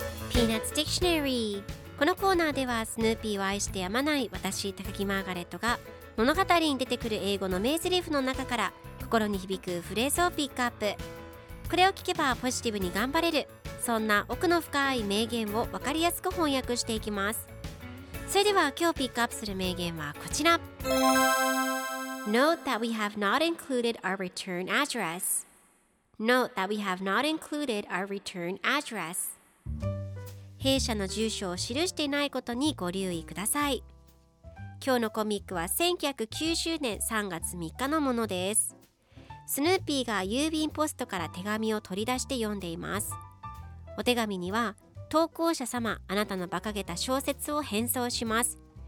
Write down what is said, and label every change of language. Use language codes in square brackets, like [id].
[ja] ピーナッツ・ディクショナリー。このコーナーでは、スヌーピーを愛してやまない私、高木マーガレットが物語に出てくる英語の名ゼリフの中から心に響くフレーズをピックアップ。これを聞けばポジティブに頑張れる、そんな奥の深い名言を分かりやすく翻訳していきます。それでは今日ピックアップする名言はこちら。 [en] Note that we have not included our return address. Note that we have not included our return address. [ja] 弊社の住所を記していないことにご留意ください。今日のコミックは1990年3月3日のものです。スヌーピーが郵便ポストから手紙を取り出して読んでいます。お手紙には、投稿者様、あなたの馬鹿げた小説を返送します。